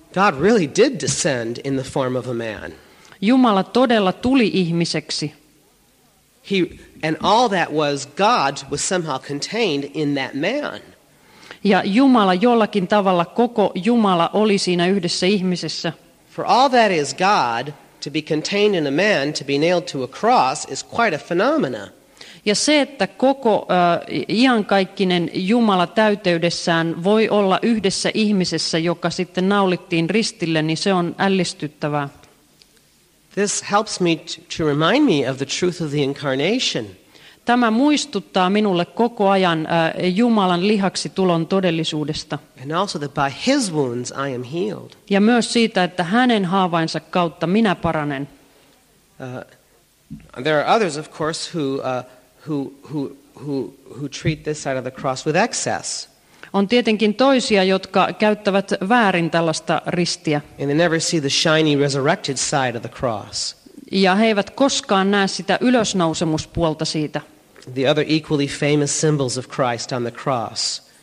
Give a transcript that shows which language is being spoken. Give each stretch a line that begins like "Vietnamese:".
English: God really did descend in the form of a man.
Finnish: Jumala todella tuli ihmiseksi.
English: And all that was God was somehow contained in that man.
Finnish: Ja Jumala jollakin tavalla, koko Jumala oli siinä yhdessä ihmisessä.
English: For all that is God, to be contained in a man, to be nailed to a cross, is quite a phenomena.
Finnish: Ja se, että koko iankaikkinen Jumala täyteydessään voi olla yhdessä ihmisessä, joka sitten naulittiin ristille, niin se on ällistyttävää.
English: This helps me to remind me of the truth of the incarnation.
Finnish: Tämä muistuttaa minulle koko ajan Jumalan lihaksi tulon todellisuudesta.
English: And also that by his wounds I am healed.
Finnish: Ja myös siitä, että hänen haavainsa kautta minä paranen.
English: There are others of course who treat this side of the cross with excess.
Finnish: On tietenkin toisia, jotka käyttävät väärin tällaista ristiä.
English: And they never see the shiny resurrected side of the cross.
Finnish: Ja he eivät koskaan näe sitä ylösnousemuspuolta siitä.
English: The other equally famous symbols of Christ on the cross.